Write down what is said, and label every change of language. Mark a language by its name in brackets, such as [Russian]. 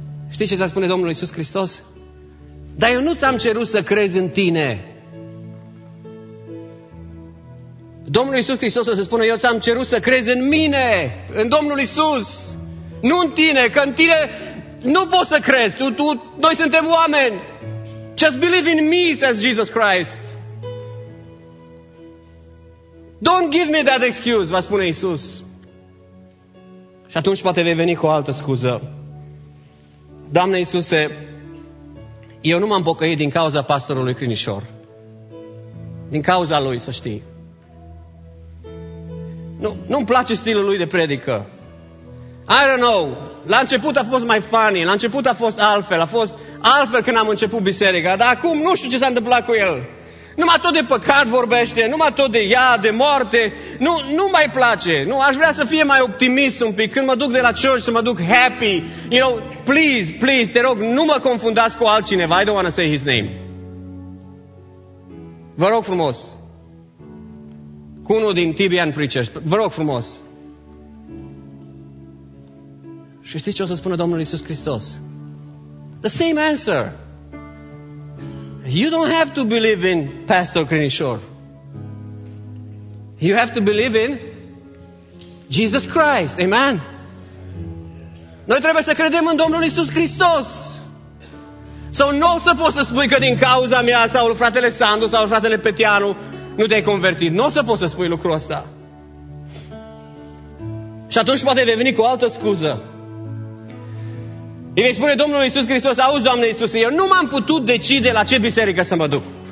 [Romanian] Știi ce ți-a spune Domnul Iisus Hristos? Dar eu nu ți-am cerut să crezi în tine. Domnul Iisus Hristos o să spună, eu ți-am cerut să crezi în mine, în Domnul Iisus. Nu în tine, că în tine nu poți să crezi. Noi suntem oameni. [English] Just believe in me, says Jesus Christ. Don't give me that excuse, [Romanian] va spune Iisus. Și atunci poate vei veni cu o altă scuză. Doamne Iisuse, eu nu m-am pocăit din cauza pastorului Crinișor. Din cauza lui, să știi. Nu-mi place stilul lui de predică. [English] I don't know. [Romanian] La început a fost mai [English] funny. [Romanian] La început a fost altfel. A fost altfel când am început biserica. Dar acum nu știu ce s-a întâmplat cu el. Numai tot de păcat vorbește, numai tot de ea, de moarte. Nu mai place. Nu, aș vrea să fie mai optimist un pic. Când mă duc de la [English] church, [Romanian] să mă duc [English] happy. You know, please, [Romanian] te rog, nu mă confundați cu altcineva. [English] I don't want to say his name. [Romanian] Vă rog frumos. Cu unul din Tibian Preachers. Vă rog frumos. Și știți ce o să spună Domnul Iisus Hristos? [English] The same answer. You don't have to believe in Pastor Crinișor. You have to believe in Jesus Christ. Amen. [Romanian] Noi trebuie să credem în Domnul Iisus Hristos. Sau nu o să poți să spui că din cauza mea sau fratele Sandu sau fratele Petianu nu te-ai convertit. Nu o să poți să spui lucrul ăsta. Și atunci poate vei veni cu o altă scuză. Îi vei spune Domnul Iisus Hristos, auzi, Doamne Iisuse, eu nu m-am putut decide la ce biserică să mă duc.